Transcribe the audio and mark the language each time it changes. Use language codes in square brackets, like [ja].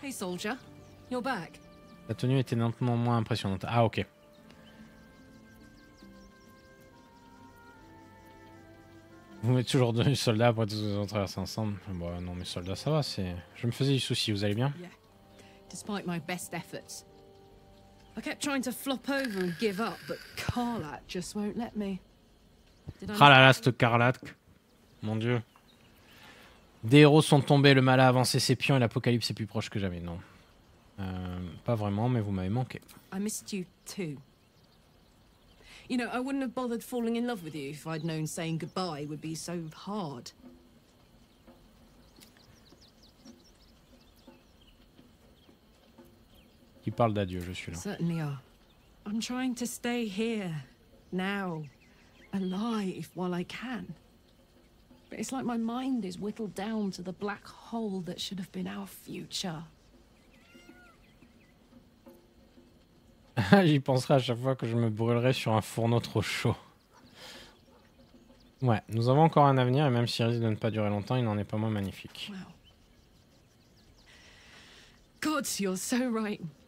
[en] Hey, soldier. You're back. [fr] La tenue était nettement moins impressionnante. Ah, ok. Vous mettez toujours deux soldats après tous les entraînements ensemble. Bon, non, mes soldats, ça va. Je me faisais du souci. Vous allez bien? [en] Despite my best efforts, I kept trying to flop over and give up, but Carlat just won't let me. [fr] Ah là là, ce Carlat. Mon dieu. Des héros sont tombés, le mal a avancé ses pions et l'apocalypse est plus proche que jamais. Non. Pas vraiment, mais vous m'avez manqué. [en] I missed you too. You know, I wouldn't have bothered falling in love with you if I'd known saying goodbye would be so hard. [fr] Qui parle d'adieu, je suis là. [en] Certainly are. I'm trying to stay here, now, alive while I can. But it's like my mind is whittled down to the black hole that should have been our future. [fr] J'y penserai à chaque fois que je me brûlerai sur un fourneau trop chaud. Ouais, nous avons encore un avenir et même s'il risque de ne pas durer longtemps, il n'en est pas moins magnifique. [en] Wow. God, you're so right.